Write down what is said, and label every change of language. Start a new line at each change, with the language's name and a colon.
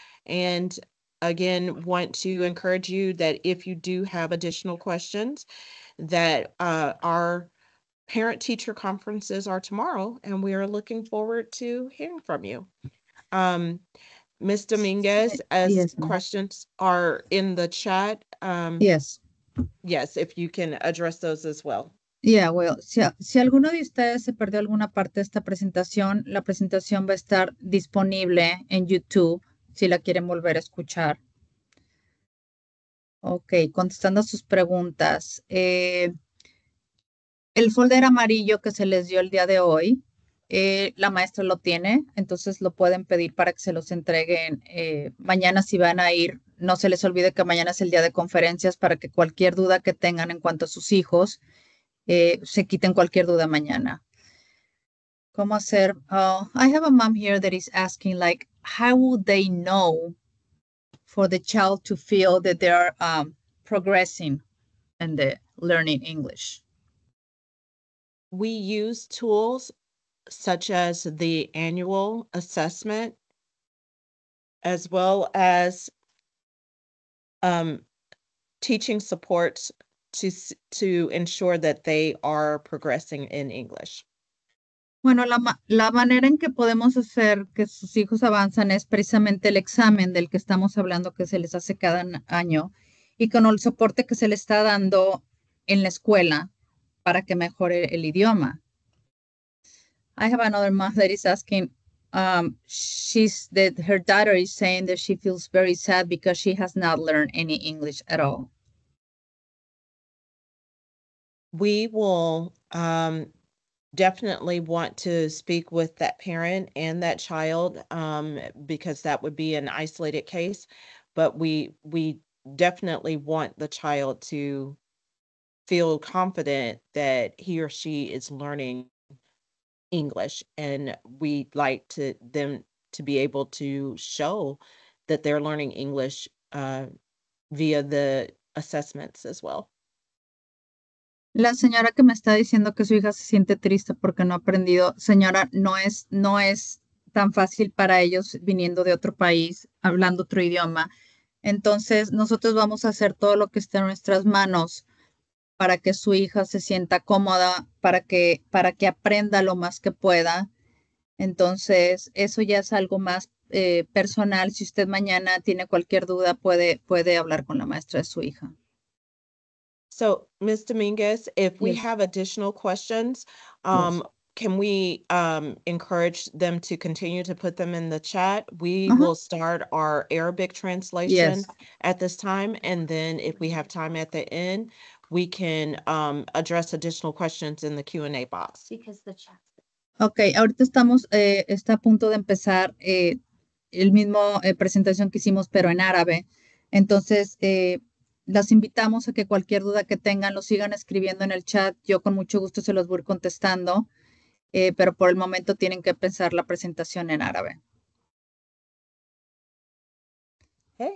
English: And again, want to encourage you that if you do have additional questions, that our parent-teacher conferences are tomorrow, and we are looking forward to hearing from you. Ms. Dominguez, as yes, questions are in the chat. Yes. Yes, if you can address those as well. Yeah, well,
Spanish: si alguno de ustedes se perdió alguna parte de esta presentación, la presentación va a estar disponible en YouTube si la quieren volver a escuchar. Ok, contestando a sus preguntas. El folder amarillo que se les dio el día de hoy, la maestra lo tiene, entonces lo pueden pedir para que se los entreguen mañana si van a ir. No se les olvide que mañana es el día de conferencias para que cualquier duda que tengan en cuanto a sus hijos, se quiten cualquier duda mañana. ¿Cómo hacer?
English: Oh, I have a mom here that is asking, like, how would they know for the child to feel that they are progressing in the learning English? We use tools such as the annual assessment, as well as teaching supports to ensure that they are progressing in English.
Spanish: Bueno, la manera en que podemos hacer que sus hijos avanzan es precisamente el examen del que estamos hablando que se les hace cada año y con el soporte que se le está dando en la escuela para que mejore el idioma.
English: I have another mom that is asking, her daughter is saying that she feels very sad because she has not learned any English at all. We will definitely want to speak with that parent and that child because that would be an isolated case, but we definitely want the child to feel confident that he or she is learning English, and we'd like to them to be able to show that they're learning English via the assessments as well.
Spanish: La señora que me está diciendo que su hija se siente triste porque no ha aprendido, señora, no es tan fácil para ellos viniendo de otro país, hablando otro idioma. Entonces, nosotros vamos a hacer todo lo que esté en nuestras manos para que su hija se sienta cómoda, para que aprenda lo más que pueda. Entonces, eso ya es algo más personal. Si usted mañana tiene cualquier duda, puede hablar con la maestra de su hija.
English: So, Ms. Dominguez, if we Yes. have additional questions, Yes. can we encourage them to continue to put them in the chat? We will start our Arabic translation Yes. at this time, and then if we have time at the end, we can address additional questions in the Q&A box. Because the chat.
Spanish: Okay, ahorita estamos, está a punto de empezar el mismo presentación que hicimos, pero en árabe. Entonces, las invitamos a que cualquier duda que tengan lo sigan escribiendo en el chat. Yo con mucho gusto se los voy contestando, pero por el momento tienen que pensar la presentación en árabe.